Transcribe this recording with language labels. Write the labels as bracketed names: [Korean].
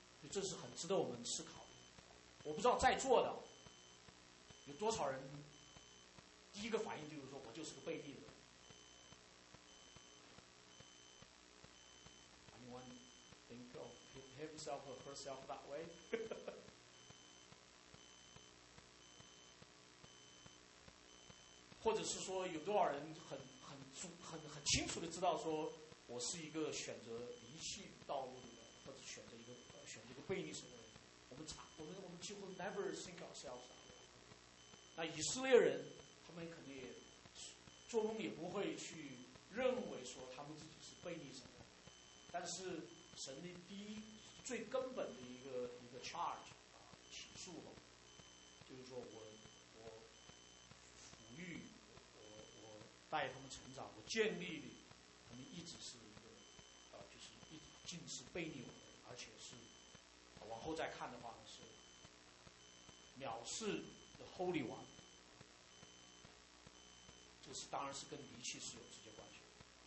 [Chinese] 这是很值得我们思考。我不知道在座的有多少人第一个反应就是说，我就是个悖逆的人。 [English] Anyone think of himself or herself that way？ [Chinese] 或者是说有多少人很清楚的知道说，我是一个选择离弃道路的人，或者选择一个悖逆神的人。我们几乎 [English] never think ourselves。 [Chinese] 那以色列人他们肯定也做梦也不会去认为说他们自己是悖逆神的。但是神的第一最根本的一个 charge 起诉了，就是说我抚育我带他们成长，我建立的他们一直是一个就是一直尽是悖逆我的，而且是往后再看的话是藐视 [English] the Holy One， [Chinese] 这是当然是跟离弃是有直接关系的。